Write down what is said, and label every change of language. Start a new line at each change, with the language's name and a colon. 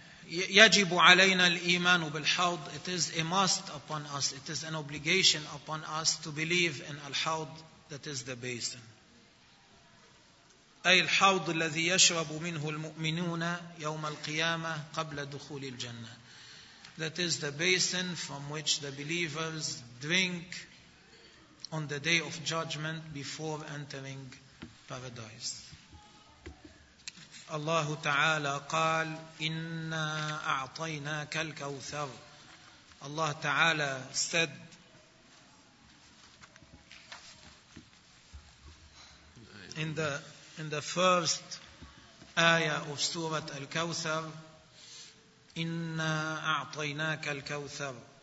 Arabic: يجب علينا الإيمان بالحوض.
English: It is a must upon us. It is an obligation upon us to believe in al-hawd, that is the basin.
Arabic: أي الحوض الذي يشرب منه المؤمنون يوم القيامة قبل دخول الجنة.
English: That is the basin from which the believers drink on the day of judgment before entering paradise.
Arabic: الله تعالى قال إنا أعطيناك الكوثر. الله تعالى
English: said, in the first ayah of Surah Al-Kawthar,
Arabic: إِنَّا أَعْطَيْنَاكَ الْكَوْثَرُ.